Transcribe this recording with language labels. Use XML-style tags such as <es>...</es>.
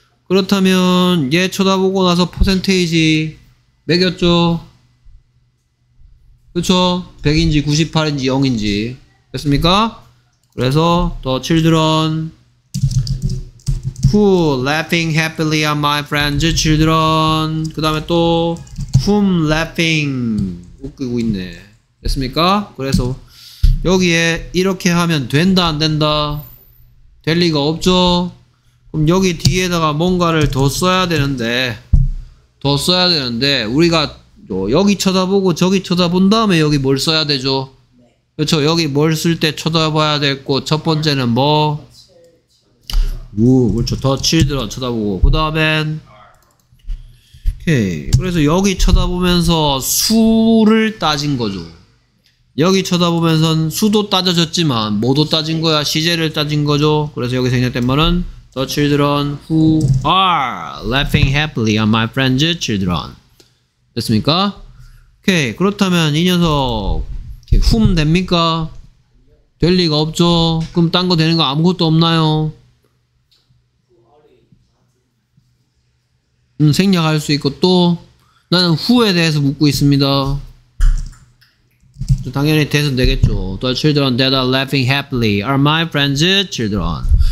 <ko>그렇다면 얘 쳐다보고 나서 퍼센테이지 매겼죠? 그쵸? 100인지 98인지 0인지 됐습니까? 그래서</ko> <en>the children who laughing happily are my friends' children.</en> <ko>그 다음에 또</ko> <en>whom laughing</en> <ko>웃기고 있네 됐습니까? 그래서 여기에 이렇게 하면 된다 안 된다? 될 리가 없죠? 그럼 여기 뒤에다가 뭔가를 더 써야 되는데 더 써야 되는데 우리가 여기 쳐다보고 저기 쳐다본 다음에 여기 뭘 써야 되죠? 그렇죠. 여기 뭘 쓸 때 쳐다봐야 됐고 첫 번째는 뭐? 그렇죠. 더 칠드런 쳐다보고 그 다음엔 오케이. 그래서 여기 쳐다보면서 수를 따진 거죠. 여기 쳐다보면선 수도 따져졌지만 뭐도 따진 거야? 시제를 따진 거죠. 그래서 여기 생략된 말은</ko> <en>The children who are laughing happily are my friends' children.</en> <ko>됐습니까? 오케이. 그렇다면 이 녀석 whom 됩니까? 될 리가 없죠. 그럼 딴 거 되는 거 아무것도 없나요? 생략할 수 있고 또 나는 who에 대해서 묻고 있습니다. 당연히 돼서 되겠죠.</ko> <en>The children that are laughing happily are my friends' children.</en>